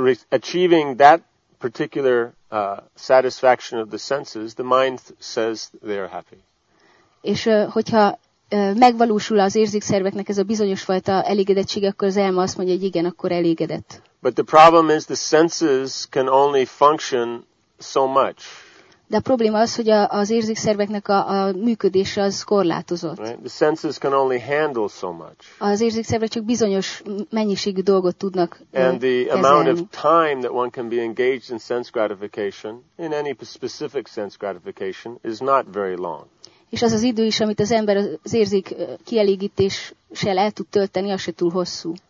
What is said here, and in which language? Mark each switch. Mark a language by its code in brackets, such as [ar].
[en] Achieving that particular satisfaction of the senses, the mind says they are happy. [hu] És hogyha megvalósul az érzékszerveknek ez a bizonyos fajta elégedettség, akkor az elme azt mondja, hogy igen, akkor elégedett. [en] But the problem is the senses can only function so much. [hu] De a probléma az, hogy az érzékszerveknek a működése az korlátozott. [en] Right? The senses can only handle so much. [hu] Az érzékszervek csak bizonyos mennyiségű dolgot tudnak kezelni. [en] And the amount of time that one can be engaged in sense gratification, in any specific sense gratification, is not very long. [hu] És az idő is, amit az ember az érzék kielégítéssel el tud tölteni, az se túl hosszú.